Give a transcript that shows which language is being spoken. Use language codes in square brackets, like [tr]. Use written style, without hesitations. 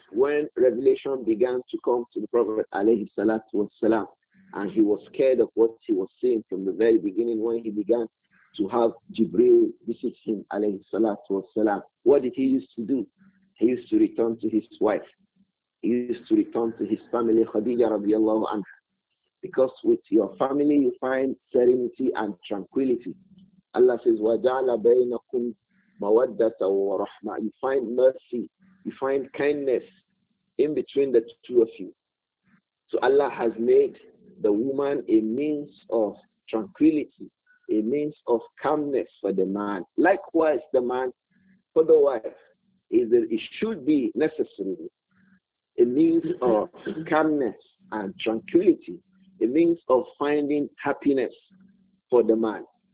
[en] When revelation began to come to the Prophet alayhi salatu wasalam, and he was scared of what he was seeing from the very beginning, when he began to have Jibreel visit him alayhi salatu wasalam, what did he used to do? He used to return to his wife. He used to return to his family, Khadija radiallahu anha. Because with your family, you find serenity and tranquility. Allah says, [ar] وَجَعْلَ بَيْنَكُمْ مَوَدَّةً وَرَحْمَةً. [en] You find mercy, you find kindness in between the two of you. So Allah has made the woman a means of tranquility, a means of calmness for the man. Likewise, the man for the wife. It should be necessarily a means of calmness and tranquility, a means of finding happiness for the man.